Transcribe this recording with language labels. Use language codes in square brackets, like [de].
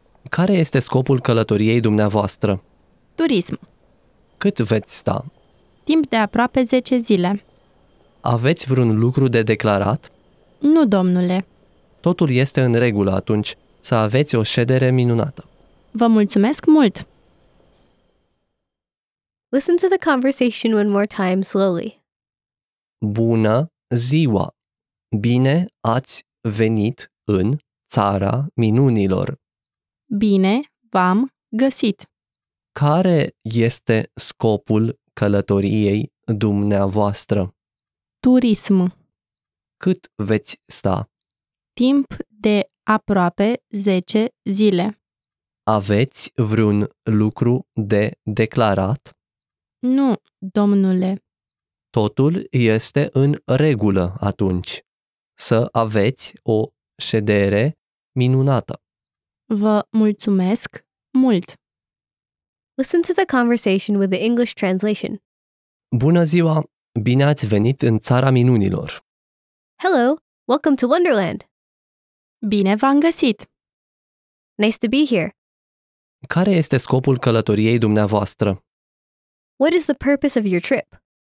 [ro] Care este scopul călătoriei dumneavoastră? Turism. Cât veți sta? Timp de aproape 10 zile. Aveți vreun lucru de declarat? Nu, domnule. Totul este în regulă atunci, să aveți o ședere minunată. Vă mulțumesc mult! [en] Listen to the conversation one more time slowly. [ro] Bună ziua! Bine ați venit în Țara Minunilor. Bine v-am găsit. Care este scopul călătoriei dumneavoastră? Turism. Cât veți sta? Timp de aproape 10 zile. Aveți vreun lucru de declarat? Nu, domnule. Totul este în regulă atunci. Să aveți o ședere minunată. Vă mulțumesc mult! [en] Listen to the conversation with the English translation. [ro] Bună ziua! Bine ați venit în Țara Minunilor! [en] Hello! Welcome to Wonderland! [ro] Bine v-am găsit! [en] Nice to be here! [ro] Care este scopul călătoriei dumneavoastră? [en] What is the purpose of your trip?